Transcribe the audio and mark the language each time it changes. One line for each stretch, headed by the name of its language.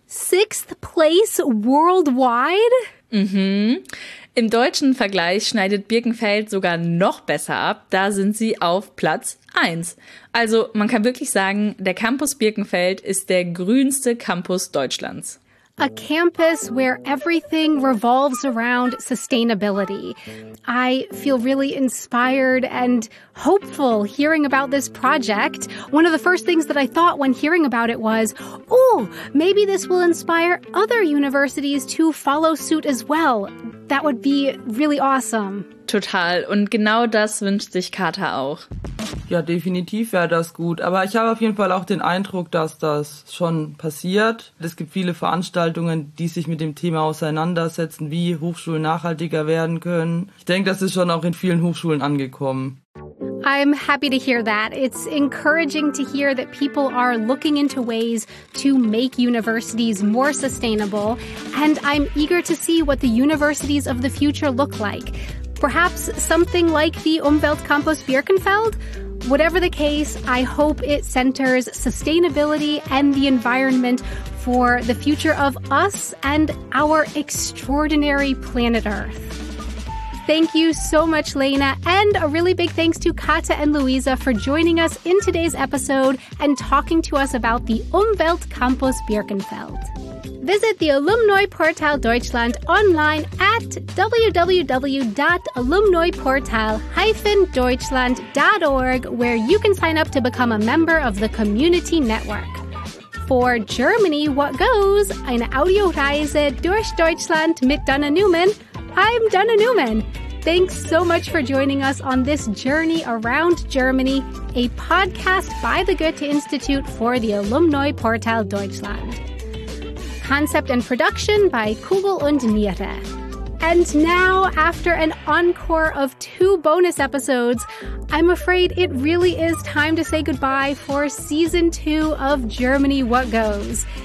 English: Sixth place worldwide? Mhm.
German: Im deutschen Vergleich schneidet Birkenfeld sogar noch besser ab. Da sind sie auf Platz 1. Also man kann wirklich sagen, der Campus Birkenfeld ist der grünste Campus Deutschlands.
English: A campus where everything revolves around sustainability. I feel really inspired and hopeful hearing about this project. One of the first things that I thought when hearing about it was, oh, maybe this will inspire other universities to follow suit as well. That would be really awesome.
German: Total. Und genau das wünscht sich Kata auch. Ja, definitiv wäre das gut. Aber ich habe auf jeden Fall auch den Eindruck, dass das schon passiert. Es gibt viele Veranstaltungen, die sich mit dem Thema auseinandersetzen, wie Hochschulen nachhaltiger werden können. Ich denke, das ist schon auch in vielen Hochschulen angekommen.
English: I'm happy to hear that. It's encouraging to hear that people are looking into ways to make universities more sustainable. And I'm eager to see what the universities of the future look like. Perhaps something like the Umweltcampus Birkenfeld? Whatever the case, I hope it centers sustainability and the environment for the future of us and our extraordinary planet Earth. Thank you so much, Lena, and a really big thanks to Kata and Luisa for joining us in today's episode and talking to us about the Umweltcampus Birkenfeld. Visit the Alumni Portal Deutschland online at www.alumniportal-deutschland.org, where you can sign up to become a member of the community network. For Germany, what goes?
German: Eine Audioreise durch Deutschland mit Dana Neumann.
English: I'm Dana Neumann. Thanks so much for joining us on this journey around Germany, a podcast by the Goethe-Institute for the Alumni Portal Deutschland. Concept and production by Kugel und Niere. And now, after an encore of 2 bonus episodes, I'm afraid it really is time to say goodbye for season 2 of Germany What Goes.